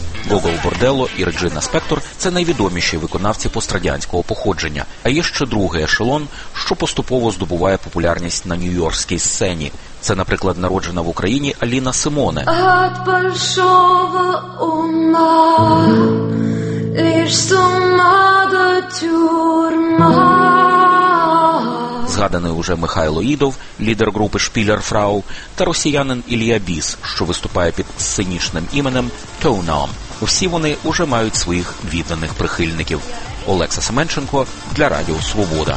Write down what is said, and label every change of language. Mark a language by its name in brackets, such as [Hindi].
[Ukrainian] Gogol Bordello і Regina Spektor – це найвідоміші виконавці пострадянського походження. А є ще другий ешелон, що поступово здобуває популярність на нью-йоркській сцені. Це, наприклад, народжена в Україні Аліна Симоне. [Russian] От большого ума, лиш сума до тюрма. [Ukrainian] Згаданий уже Михайло Ідов, лідер групи «Шпілерфрау», та росіянин Ілія Біс, що виступає під сценічним іменем «Тонам». Всі вони уже мають своїх відданих прихильників. Олекса Семенченко для Радіо Свобода.